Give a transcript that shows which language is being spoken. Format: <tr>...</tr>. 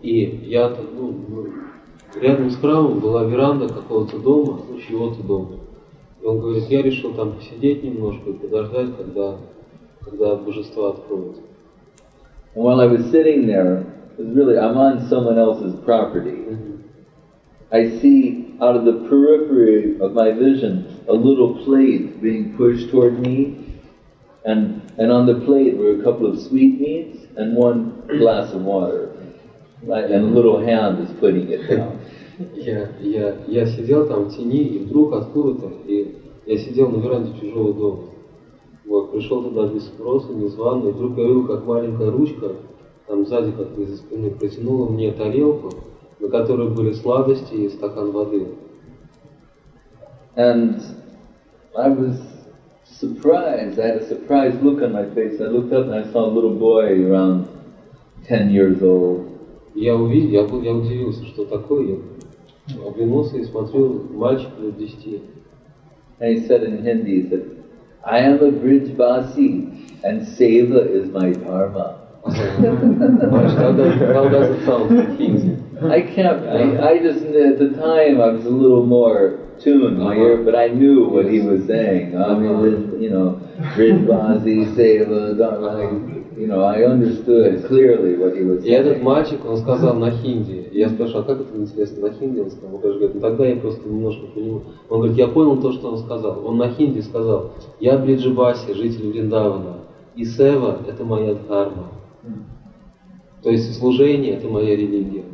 <ru>И я так, ну, рядом с храмом была веранда какого-то дома, ну, чего-то дома. И он говорит, я решил там посидеть немножко и подождать, когда божество откроют.</ru> <en>And while I was sitting there, it was really, I'm on someone else's property. I see out of the periphery of my vision a little plate being pushed toward me, and on the plate were a couple of sweetmeats and one glass of water, and a little hand is putting it down.</en> <ru>Я сидел там в тени, и вдруг откуда-то, и я сидел на веранде чужого дома. Вот, пришел туда без спроса, незваный, и вдруг я увидел, как маленькая ручка там сзади как-то из-за спины протянула мне тарелку, на которой были сладости и стакан воды.</ru> <en>And I was surprised, I had a surprised look on my face. I looked up and I saw a little boy around 10 years old.</en> <ru>Я удивился, что такое. Я оглянулся и смотрел, мальчик лет 10.</ru> <en>And he said in Hindi, he said, I am a Brijvasi, and Seva is my dharma. How does it sound? I can't. I just at the time I was a little more tuned my ear, but I knew what he was saying. I'm a, you know, Brijvasi, Seva, dharma. You know, I understood clearly what he was saying.</en> <ru>И этот мальчик, он сказал на хинди. Я спрашивал, как это интересно на хинди? Он сказал, он говорит, ну тогда я просто немножко понимал. Он говорит, я понял то, что он сказал. Он на хинди сказал, я Бриджибаси, житель Вриндавана, и сева – это моя дхарма. То есть служение – это моя религия.</ru>